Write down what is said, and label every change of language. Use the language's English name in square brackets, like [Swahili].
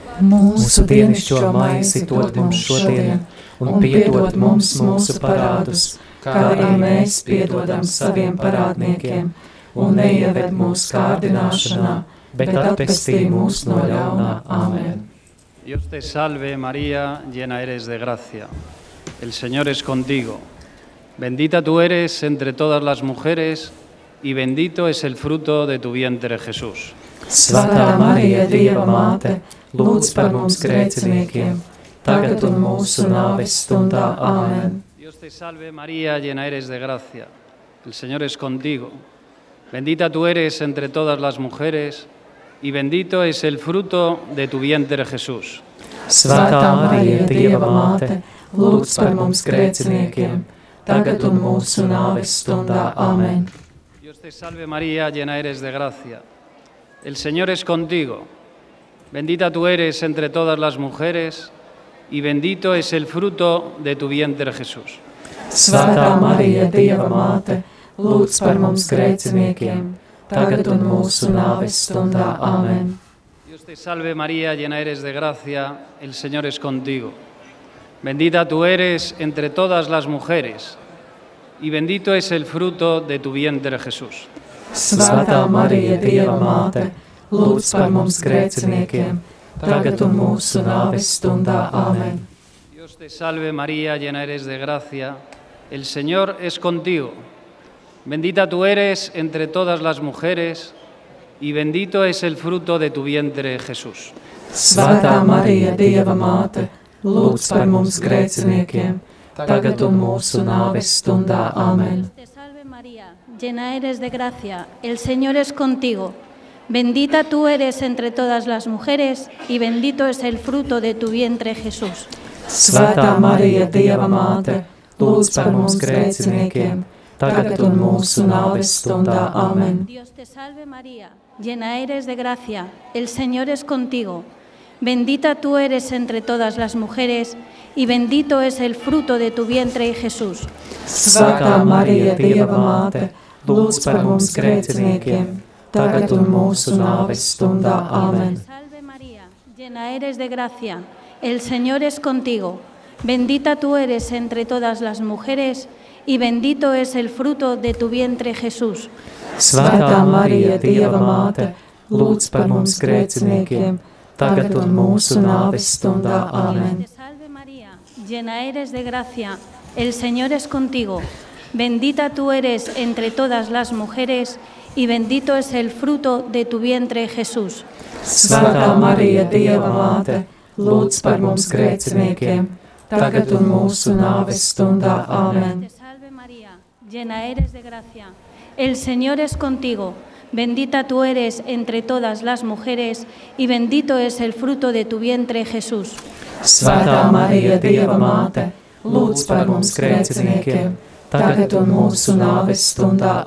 [Latvian] Mūsu dienišķo maisi dod mums šodien, un piedod mums mūsu parādus, kā arī mēs piedodam saviem parādniekiem, un neieved mūsu kārdināšanā, bet atpestī mūsu no ļaunā. Amen. [Spanish] Dios te salve, María, llena eres de gracia. El Señor es contigo. Bendita tú eres entre todas las mujeres y bendito es el fruto de tu vientre, Jesús. [Latvian] Svētā Marija, Dieva Māte, lūdz par mums grēciniekiem, tagad un mūsu nāves stundā. Amen. [Spanish] Dios te salve, María, llena eres de gracia. El Señor es contigo. Bendita tú eres entre todas las mujeres y bendito es el fruto de tu vientre, Jesús. [Latvian] Svētā Marija, Dieva Māte, lūdz par mums grēciniekiem, tagad un mūsu nāves stundā. Amen. [Spanish] Dios te salve, María, llena eres de gracia. El Señor es contigo. Bendita tú eres entre todas las mujeres, y bendito es el fruto de tu vientre, Jesús. [Latvian] Svētā Marija, Dieva Māte, lūdz par mums grēciniekiem, tagad un mūsu nāves stundā. Amen. [Spanish] Dios te salve, María, llena eres de gracia, el Señor es contigo. Bendita tú eres entre todas las mujeres, y bendito es el fruto de tu vientre, Jesús. [Latvian] Svētā Marija, Dieva Māte, lūdz par mums grēciniekiem, tagad un mūsu nāves stundā. Amen. [Spanish] Dios te salve, María, llena eres de gracia, el Señor es contigo. Bendita tú eres entre todas las mujeres y bendito es el fruto de tu vientre, Jesús. [Latvian] Svētā Marija, Dieva Māte, lūdz par mums grēciniekiem, tagad un mūsu nāves stundā. Amen. [Spanish] Te salve María, llena eres de gracia, el Señor es contigo. Bendita tú eres entre todas las mujeres y bendito es el fruto de tu vientre, Jesús. [Latvian] Svētā Marija, Dieva Māte, lūdz par mums grēciniekiem, tagad un mūsu nāves stundā. Amen. [Spanish] Dios te salve, María, llena eres de gracia, el Señor es contigo. bendita tú eres entre todas las mujeres, y bendito es el fruto de tu vientre, Jesús. [Latvian] Santa María, Dieva Mate, lūdz par mums grēciniekiem, tagad un mūsu nāves stundā. Amen. [Spanish] Salve María, llena eres de gracia, el Señor es contigo, bendita tú eres entre todas las mujeres, y bendito es el fruto de tu vientre, Jesús. [Latvian] Svētā Marija, Dieva Māte, lūdz par mums grēciniekiem, tagad un mūsu nāves stundā. Amen. [Spanish] Salve María, llena eres de gracia, el Señor es contigo, bendita tú eres entre todas las mujeres, y bendito es el fruto de tu vientre, Jesús. [Latvian] Svētā Marija, Dieva Māte, lūdz par mums grēciniekiem, tagad un mūsu nāves stundā. Amen. [Spanish] Salve María, llena eres de gracia, el Señor es contigo, bendita tú eres entre todas las mujeres, y bendito es el fruto de tu vientre, Jesús. [Latvian] Svētā Marija, Dieva Māte, lūdz par mums grēciniekiem, tagad un mūsu nāves stundā.